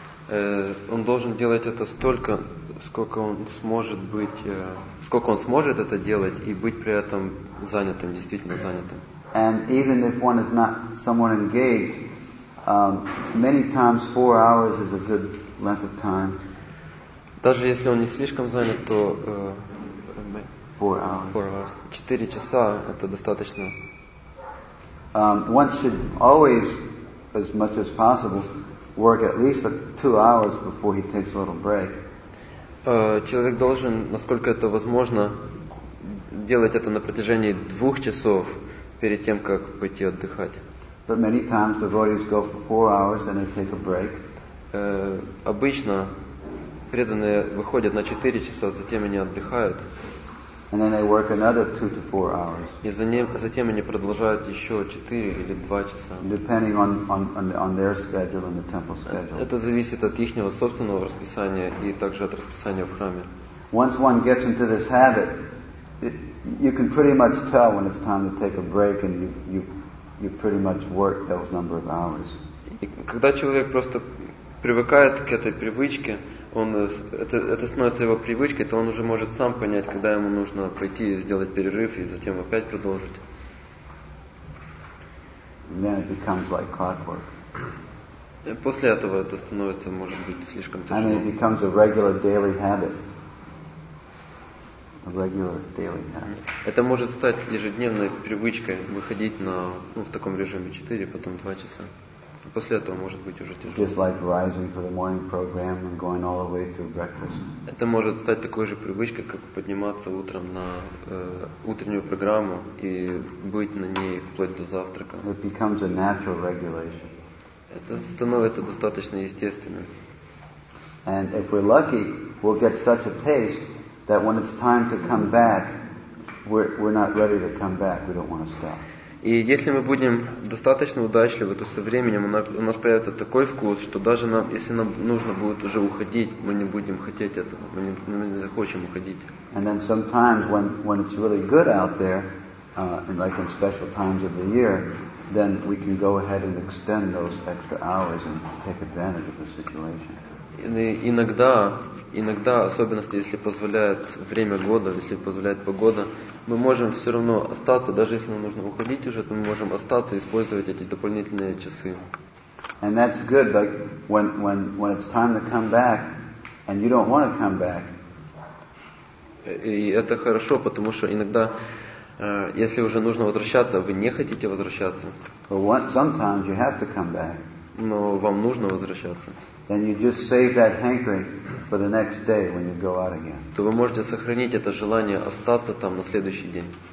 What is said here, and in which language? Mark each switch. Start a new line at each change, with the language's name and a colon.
Russian: Он должен делать это столько, сколько он сможет быть, сколько он сможет это делать и быть при этом занятым, действительно занятым.
English: And even if one is not somewhat engaged, many times 4 hours is a good length of time.
Russian: Даже если он не слишком занят, то
English: 4 hours.
Russian: 4 часа это достаточно.
English: One should always, as much as possible, work at least 2 hours before he takes a little break.
Russian: Человек должен, насколько это возможно, делать это на протяжении 2 часов перед тем, как пойти отдыхать.
English: But many times devotees go for 4 hours and they take a break.
Russian: Обычно преданные выходят на 4 часа, затем они отдыхают.
English: And then they work another 2 to 4 hours.
Russian: И затем они продолжают еще 4 или 2 часа.
English: Depending on their schedule and the temple schedule.
Russian: Это зависит от ихнего собственного расписания и также от расписания в храме.
English: Once one gets into this habit, you can pretty much tell when it's time to take a break, and you pretty much work those number of hours.
Russian: И когда человек просто привыкает к этой привычке, это становится его привычкой, то он уже может сам понять, когда ему нужно пойти и сделать перерыв, и затем опять продолжить.
English: And then it becomes like clockwork.
Russian: И после этого это становится, может быть, слишком тяжело.
English: And it becomes a regular daily habit. A regular daily habit.
Russian: Это может стать ежедневной привычкой выходить на, ну, в таком режиме 4, потом 2 часа. После этого может быть уже тяжело.
English: Just like rising for the morning program and going all the way through breakfast.
Russian: Это может стать такой же привычкой, как подниматься утром на утреннюю программу и быть на ней вплоть до завтрака.
English: It becomes a natural regulation.
Russian: Это становится достаточно естественным.
English: And if we're lucky, we'll get such a taste that when it's time to come back, we're not ready to come back. We don't want to stop.
Russian: И если мы будем достаточно удачливы, то со временем у нас появится такой вкус, что даже нам, если нам нужно будет уже уходить, мы не будем хотеть этого, мы не захочем уходить.
English: And then sometimes when it's really good out there, and like in special times of the year, then we can go ahead and extend those extra hours and take advantage of the situation.
Russian: Иногда, особенности, если позволяет время года, если позволяет погода, мы можем все равно остаться, даже если нам нужно уходить уже, то мы можем остаться и использовать эти дополнительные часы.
English: And that's good, like when it's time to come back, and you don't want to come back.
Russian: И это хорошо, потому что иногда, если уже нужно возвращаться, вы не хотите возвращаться.
English: Sometimes you have to come back.
Russian: Но вам нужно возвращаться.
English: And you just save that hankering for the next day when you go out again.
Russian: То вы можете сохранить это желание остаться там на следующий день.